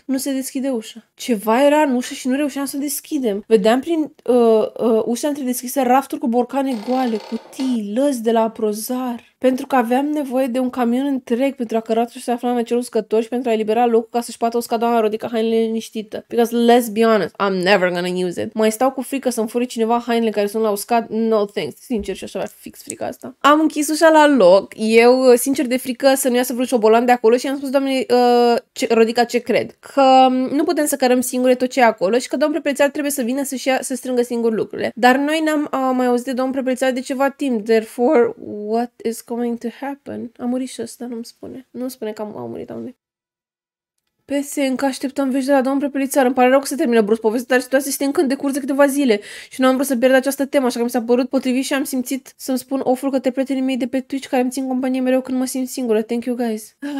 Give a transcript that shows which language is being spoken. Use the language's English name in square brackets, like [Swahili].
[Romanian] Nu se deschide ușa. Ceva era în ușă și nu reușeam să deschidem. Vedeam prin ușa întredeschisă rafturi cu borcane goale, cutii, lăzi de la aprozar. Pentru că aveam nevoie de un camion întreg pentru a cărat și se afla în acel uscător și pentru a elibera locul ca să-și poată usca doamna Rodica hainele liniștită. [English] Because let's be honest, I'm never gonna use it. [Romanian] Mai stau cu frică să-mi fure cineva hainele care sunt la uscat? [English] No thanks. [Romanian] Sincer, și așa avea fix frica asta. Am închis ușa la loc. Eu, sincer, de frică să nu iasă vreo șobolan de acolo și am spus doamnei Rodica ce cred. Că nu putem să cărăm singure tot ce e acolo și că domnul Prepelițar trebuie să vină să-și ia, să strângă singur lucrurile. Dar noi n-am mai auzit de domnul Prepelițar de ceva timp. [English] Therefore, what is going to happen. [Romanian] A murit și ăsta, nu-mi spune. Nu-mi spune că a murit, doamne. Pese, încă așteptăm vești de la domnul Prepelițar. Îmi pare rău că se termină brusc povestea, dar situația este încă în decurs de câteva zile și nu am vrut să pierd această temă, așa că mi s-a părut potrivit și am simțit să-mi spun oful către prietenii mei de pe Twitch care îmi țin companie mereu când mă simt singură. [English] Thank you, guys.